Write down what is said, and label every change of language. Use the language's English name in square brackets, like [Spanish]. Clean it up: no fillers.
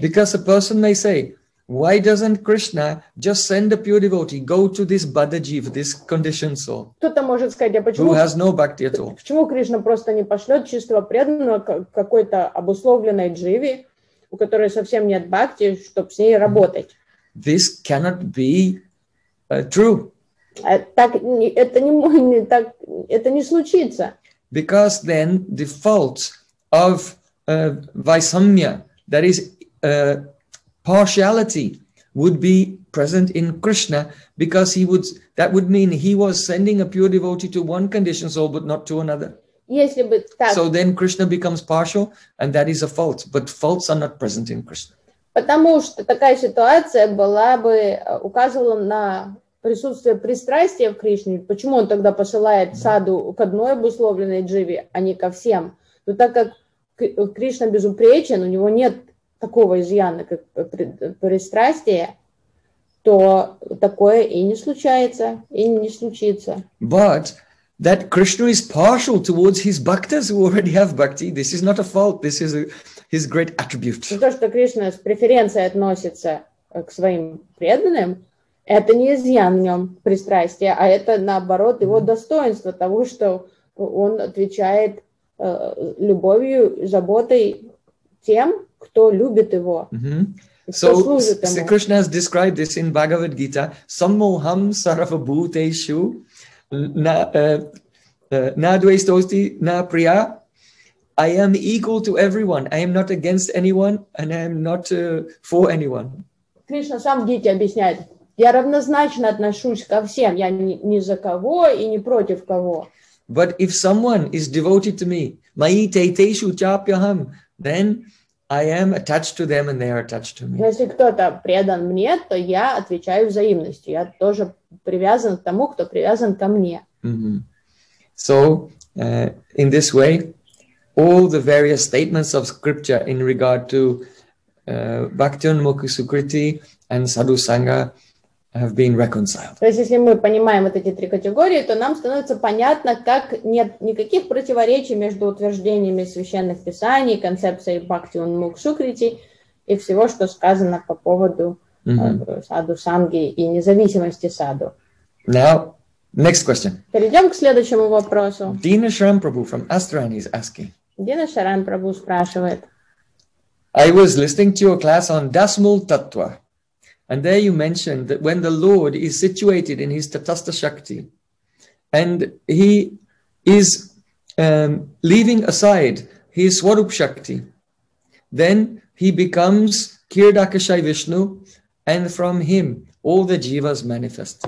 [English] Because a person may say, why doesn't Krishna just send a pure devotee, go to this Badajiva, this conditioned soul? [Russian] Кто-то может сказать, а почему? [English] Who has no bhakti at all? [Russian] Почему Кришна просто не пошлет чистого преданного к какой-то обусловленной дживе, у которой совсем нет бхакти, чтобы с ней работать? [English] This cannot be true. [Russian] Это не случится. [English] Because then the fault of vaisamya, that is partiality, would be present in Krishna, because that would mean he was sending a pure devotee to one conditioned soul but not to another. [Russian] Если бы так. [English] So then Krishna becomes partial, and that is a fault. But faults are not present in Krishna. [Russian] Потому что такая ситуация была бы указывала на присутствие пристрастия в Кришне, почему он тогда посылает саду к одной обусловленной дживе, а не ко всем? Но так как Кришна безупречен, у него нет такого изъяна, как пристрастие, то такое и не случается, и не случится. [English] But that Krishna is partial towards his bhaktas who already have bhakti, this is not a fault, this is his great attribute. [Russian] То, что Кришна с преференцией относится к своим преданным, это не изъян в нем пристрастия, а это, наоборот, его достоинство того, что он отвечает любовью, заботой тем, кто любит его, mm-hmm. кто [English] so, [Russian] служит ему. [English] So, Krishna has described this in Bhagavad Gita. [Sanskrit] Sammoham sarvabhuteshu na dvestosti na priya. [English] I am equal to everyone. I am not against anyone and I am not for anyone. [Russian] Кришна сам в Гите объясняет. Я равнозначно отношусь ко всем. Я ни за кого и не против кого. [English] But if someone is devoted to me, [Sanskrit] mayi taiteshu chapyaham, [English] then I am attached to them and they are attached to me. [Russian] Если кто-то предан мне, то я отвечаю взаимностью. Я тоже привязан к тому, кто привязан ко мне. Mm-hmm. [English] So, in this way, all the various statements of scripture in regard to bhaktyan mukhi sukriti and sadhu sangha have been reconciled. [Russian] То есть, если мы понимаем вот эти три категории, то нам становится понятно, как нет никаких противоречий между утверждениями священных писаний, концепцией бхакти унмук сукрити и всего, что сказано по поводу саду санги и независимости саду. [English] Now, next question. [Russian] Перейдем к следующему вопросу. [English] Dina Sharan Prabhu from Astrani is asking. [Russian] Dina Sharan Prabhu спрашивает. [English] I was listening to your class on Dasmul Tattva. And there you mentioned that when the Lord is situated in his Tatastha Shakti and he is leaving aside his Swarup Shakti, then he becomes Kirdakashai Vishnu and from him all the Jivas manifest.